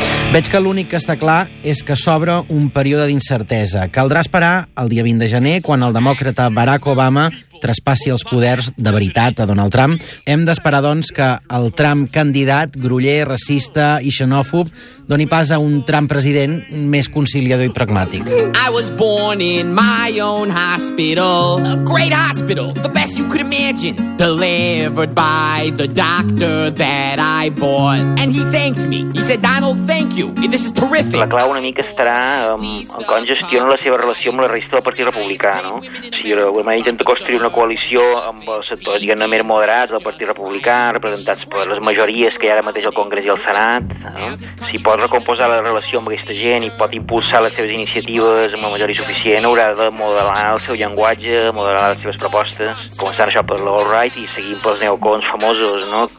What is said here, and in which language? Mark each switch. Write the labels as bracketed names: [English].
[Catalan] Veig que l'únic que està clar és que s'obre un període d'incertesa. Caldrà esperar el dia 20 de gener, quan el demòcrata Barack Obama traspassi els poders de veritat a Donald Trump. Hem d'esperar, doncs, que el Trump candidat, groller, racista i xenòfob, doni pas a un Trump president més conciliador i pragmàtic. [English] I was born in my own hospital. A great hospital, the best you could imagine. Delivered by the doctor that I bought. And he thanked me. He said, Donald, thank you. This is terrific. [Catalan] La clau una mica estarà en com gestiona la seva relació amb la resta del Partit Republicà, no? O sigui, l'Obama intenta construir una coalició amb els sectors, diguem-ne, més moderats del Partit Republicà, representats per les majories que hi ha ara mateix al Congrés i al Senat, no? Si pot recomposar la relació amb aquesta gent i pot impulsar les seves iniciatives amb una majoria suficient, haurà de modelar el seu llenguatge, modelar les seves propostes, començant això per l'alt-right i seguint pels neocons famosos, no?